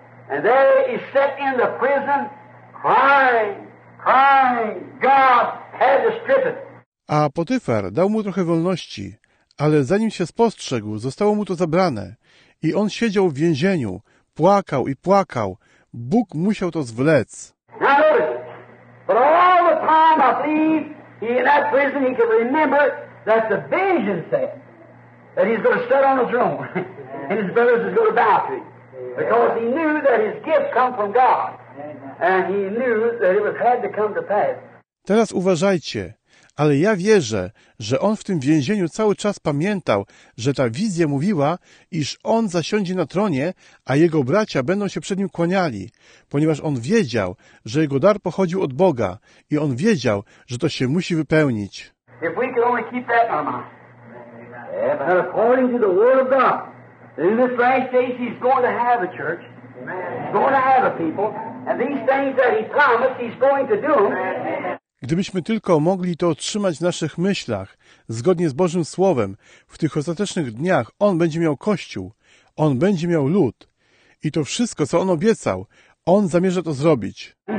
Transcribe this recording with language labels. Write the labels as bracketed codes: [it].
[en] And there he sat in the prison, crying, God had to strip it. [pl] A Potyfar dał mu trochę wolności, ale zanim się spostrzegł, zostało mu to zabrane. I on siedział w więzieniu, płakał i płakał. Bóg musiał to zwlec. [en] Now notice, but all the time I believe he in that prison, he could remember that the vision said that he's going to sit on the throne and his brothers is going to bow to him. Because he knew that his gift come from God. And he knew that it had to come to pass. [pl] Teraz uważajcie, ale ja wierzę, że on w tym więzieniu cały czas pamiętał, że ta wizja mówiła, iż on zasiądzie na tronie, a jego bracia będą się przed nim kłaniali, ponieważ on wiedział, że jego dar pochodził od Boga i on wiedział, że to się musi wypełnić. [en] If we could only keep that in our mind. Amen. And according to the Word of God, in this last days he's going to have a church. Amen. He's going to have a people. And these things that he promised, he's going to do. [pl] Gdybyśmy tylko mogli to otrzymać w naszych myślach, zgodnie z Bożym Słowem, w tych ostatecznych dniach On będzie miał Kościół, On będzie miał lud. I to wszystko, co On obiecał, On zamierza to zrobić.